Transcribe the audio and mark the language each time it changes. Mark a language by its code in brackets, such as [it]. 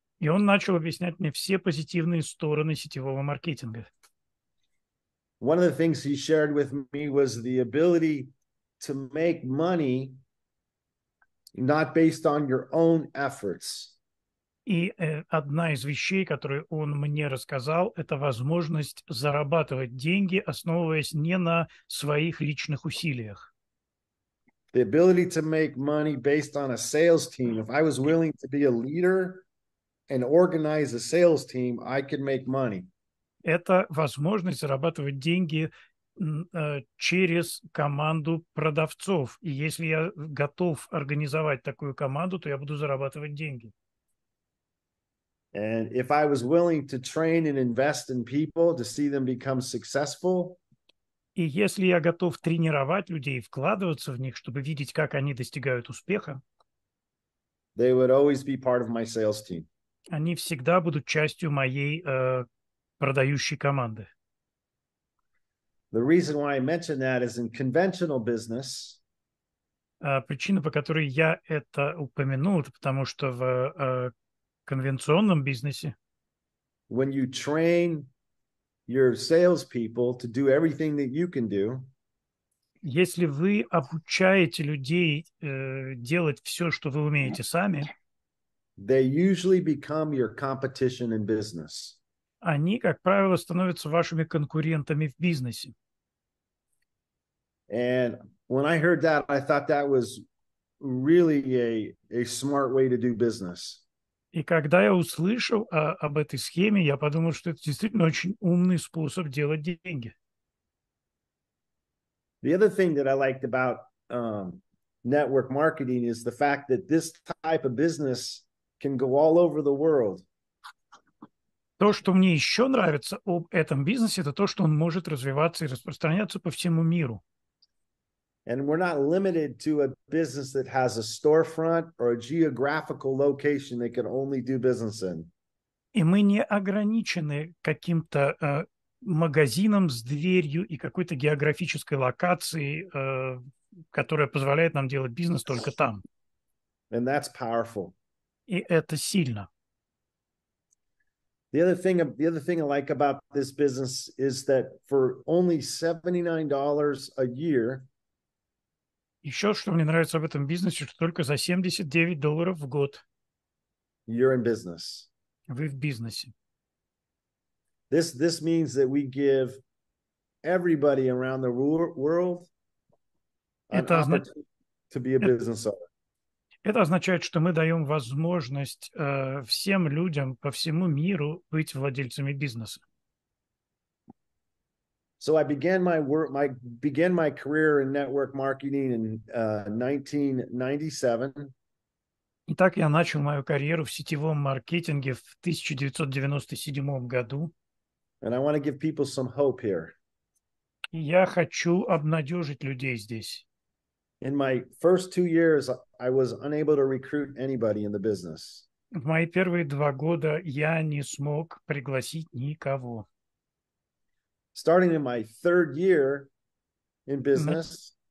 [ru] И он начал объяснять мне все позитивные стороны сетевого маркетинга. [en] One of the things he shared with me was the ability to make money not based on your own efforts. [ru] И одна из вещей, которую он мне рассказал, это возможность зарабатывать деньги, основываясь не на своих личных усилиях. [en] The ability to make money based on a sales team. If I was willing to be a leader and organize a sales team, I could make money. [ru] Это возможность зарабатывать деньги через команду продавцов. И если я готов организовать такую команду, то я буду зарабатывать деньги. [en] And if I was willing to train and invest in people to see them become successful. [ru] И если я готов тренировать людей, вкладываться в них, чтобы видеть, как они достигают успеха. [en] They would always be part of my sales team. [ru] Они всегда будут частью моей продающей команды. [en] The reason why I mention that is in conventional business. [ru] Причина, по которой я это упомянул, это потому что в конвенционном бизнесе. [en] When you train your salespeople to do everything that you can do. [ru] Если вы обучаете людей делать все, что вы умеете сами. [en] They usually become your competition in business. [ru] Они, как правило, становятся вашими конкурентами в бизнесе. [en] And when I heard that, I thought that was really a smart way to do business. [ru] И когда я услышал об этой схеме, я подумал, что это действительно очень умный способ делать деньги. [en] The other thing that I liked about network marketing is the fact that this type of business can go all over the world. [ru] То, что мне еще нравится об этом бизнесе, это то, что он может развиваться и распространяться по всему миру. [en] And we're not limited to a business that has a storefront or a geographical location they can only do business in. [ru] И мы не ограничены каким-то магазином с дверью и какой-то географической локацией, которая позволяет нам делать бизнес только там. [en] And that's powerful. [ru] И это сильно. [en] The other thing I like about this business is that for only $79 a year. [ru] Еще что мне нравится в этом бизнесе, что только за $79 в год. [en] You're in business. [ru] Вы в бизнесе. [en] This means that we give everybody around the world to be a business owner. [ru] Это означает, что мы даем возможность всем людям по всему миру быть владельцами бизнеса. [en] So I began my career in network marketing in 1997. [ru] Итак, я начал мою карьеру в сетевом маркетинге в 1997 году. [en] And I want to give people some hope here. [ru] Я хочу обнадежить людей здесь. [en] In my first 2 years, I was unable to recruit anybody in the business. [ru] В мои первые 2 года я не смог пригласить никого. [en] Starting in my third year in business.